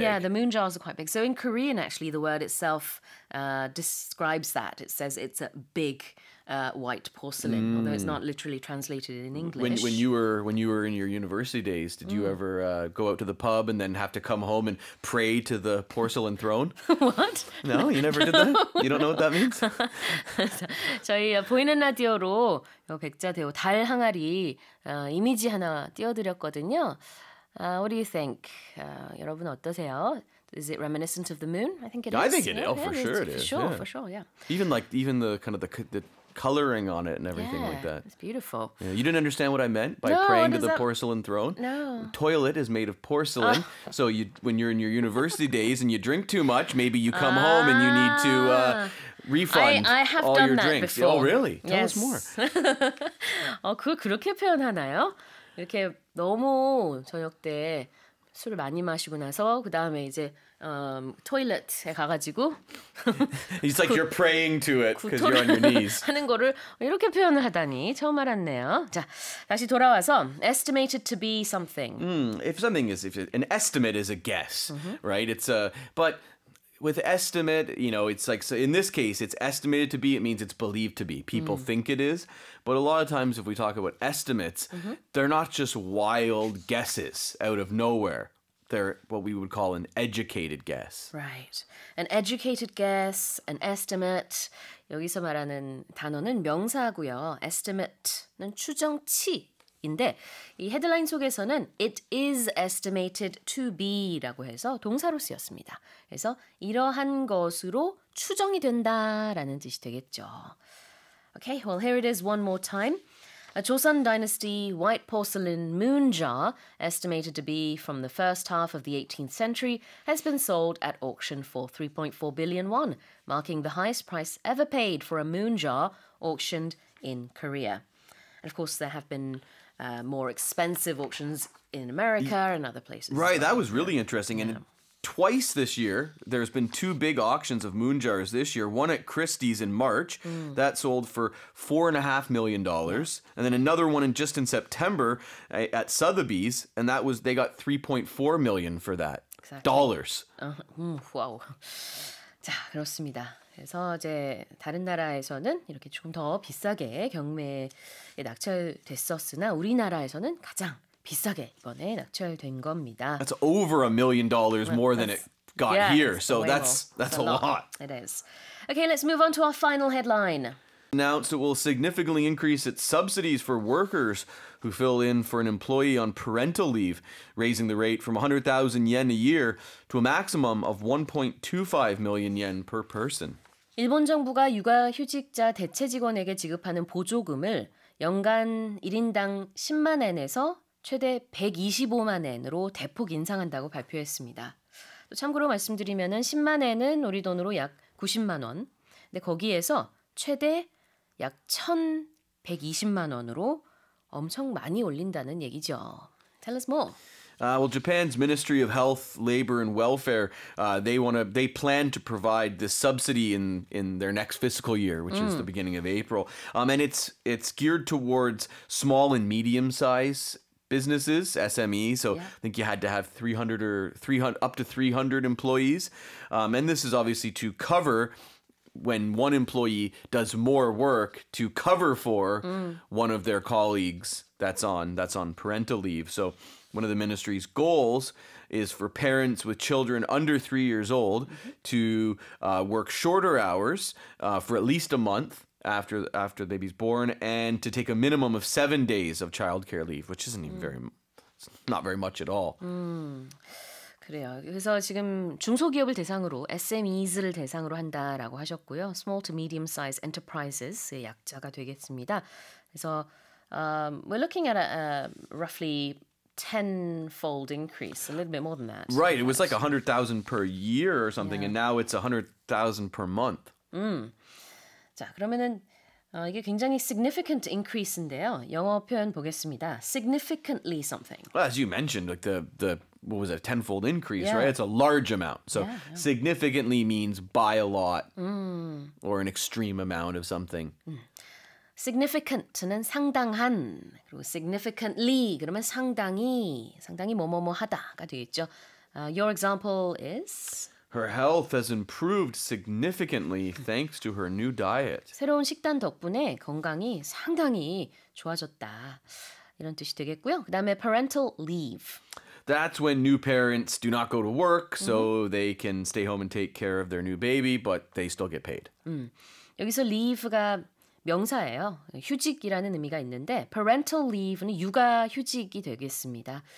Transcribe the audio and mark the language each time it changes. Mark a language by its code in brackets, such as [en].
[en] Yeah, the moon jars are quite big. So in Korean, actually, the word itself describes that. It says it's a big white porcelain, although it's not literally translated in English. When you were in your university days, did you ever go out to the pub and then have to come home and pray to the porcelain throne? What? No, you never did that? You don't know what that means? [ko] 저희 보이는 라디오로 백자대호 달 항아리 이미지 하나 띄워드렸거든요. [en] What do you think? [ko] 여러분 어떠세요? [en] Is it reminiscent of the moon? I think it is. I think it is. Oh, for sure it is. For sure, yeah. Even the kind of the coloring on it and everything like that. It's beautiful. Yeah, you didn't understand what I meant by praying to the porcelain throne? No. Toilet is made of porcelain. So when you're in your university days and you drink too much, maybe you come home and you need to refund all your drinks. I have done that before. Oh, really? Tell us more. [ko] 그렇게 표현하나요? 이렇게 너무 저녁 때 술을 많이 마시고 나서 그 다음에 이제 토일렛에 가가지고 [en] It's like you're praying to it because you're on your knees. [ko] 하는 거를 이렇게 표현을 하다니 처음 알았네요. 자, 다시 돌아와서 [en] estimated to be something. If an estimate is a guess, right? But with estimate, you know, it's like, so in this case, it's estimated to be, it means it's believed to be. People think it is. But a lot of times if we talk about estimates, they're not just wild guesses out of nowhere. They're what we would call an educated guess. Right. An educated guess, an estimate. [ko] 여기서 말하는 단어는 명사고요. Estimate는 추정치인데 이 헤드라인 속에서는 [en] it is estimated to be [ko] 라고 해서 동사로 쓰였습니다. 그래서 이러한 것으로 추정이 된다라는 뜻이 되겠죠. [en] Okay, well, here it is one more time. A Joseon Dynasty white porcelain moon jar, estimated to be from the first half of the 18th century, has been sold at auction for 3.4 billion won, marking the highest price ever paid for a moon jar auctioned in Korea. And of course, there have been more expensive auctions in America and other places. Right, that was really interesting. Yeah. Twice this year, there's been two big auctions of moon jars this year. One at Christie's in March, that sold for $4.5 million. Yeah. And then another one in September at Sotheby's, and that was, they got $3.4 million for that. Exactly. Dollars. Wow. [ko] 자, 그렇습니다. 그래서 이제 다른 나라에서는 이렇게 조금 더 비싸게 경매에 낙찰됐었으나 우리나라에서는 가장 비싸게 이번에 낙찰된 겁니다. [en] That's over $1 million more than it got here. So that's a lot. It is. Okay, let's move on to our final headline. Announced it will significantly increase its subsidies for workers who fill in for an employee on parental leave, raising the rate from 100,000 yen a year to a maximum of 1.25 million yen per person. [ko] 일본 정부가 육아 휴직자 대체 직원에게 지급하는 보조금을 연간 1인당 10만 엔에서 최대 125만 엔으로 대폭 인상한다고 발표했습니다. 또 참고로 말씀드리면은 10만 엔은 우리 돈으로 약 90만 원. 근데 거기에서 최대 약 1,120만 원으로 엄청 많이 올린다는 얘기죠. [en] Tell us more. Well, Japan's Ministry of Health, Labor, and Welfare, they plan to provide this subsidy in their next fiscal year, which is the beginning of April. And it's geared towards small and medium size businesses, SME, so I think you had to have 300 employees. And this is obviously to cover when one employee does more work to cover for one of their colleagues that's on parental leave. So one of the ministry's goals is for parents with children under 3 years old to work shorter hours for at least a month after the baby's born, and to take a minimum of 7 days of childcare leave, which isn't even very, not very much at all. [ko] 그래요. 그래서 지금 중소기업을 대상으로 SMEs를 대상으로 한다라고 하셨고요. [en] Small to medium size enterprises의 [ko] 약자가 되겠습니다. 그래서 [en] we're looking at a roughly tenfold increase, a little bit more than that. Right. It was like 100,000 per year or something, yeah. And now it's 100,000 per month. [ko] 자, 그러면은 이게 굉장히 [en] significant increase [ko] 인데요. 영어 표현 보겠습니다. [en] Significantly something. Well, as you mentioned, like what was it, a tenfold increase, yeah. Right? It's a large amount. So yeah, yeah. Significantly means by a lot or an extreme amount of something. [ko] Significant는 상당한, 그리고 significantly, 그러면 상당히 뭐뭐뭐하다가 되겠죠. [en] Your example is? Her health has improved significantly thanks to her new diet. [ko] 새로운 식단 덕분에 건강이 상당히 좋아졌다. 이런 뜻이 되겠고요. 그 다음에 parental leave. [en] That's when new parents do not go to work, so they can stay home and take care of their new baby, but they still get paid. [ko] 여기서 leave가 명사예요. 휴직이라는 의미가 있는데, parental leave는 육아 휴직이 되겠습니다.